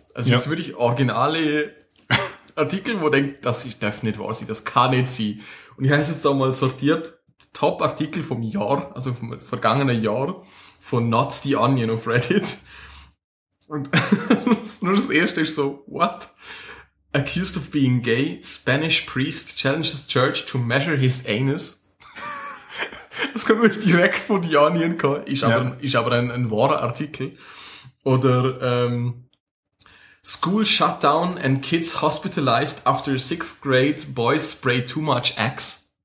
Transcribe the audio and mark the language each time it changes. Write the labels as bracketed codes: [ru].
[de] Also es sind wirklich originale Artikel, wo denkt, das darf nicht wahr sein, das kann nicht sein. Und ich habe jetzt da mal sortiert, Top-Artikel vom Jahr, also vom vergangenen Jahr von Not the Onion auf Reddit. Und nur das erste ist so, what? [en] Accused of being gay, Spanish priest challenges church to measure his anus. [de] Das kommt wirklich direkt von The Onion, ist aber ein wahrer Artikel. [en] Oder School shutdown and kids hospitalized after sixth grade boys spray too much Axe.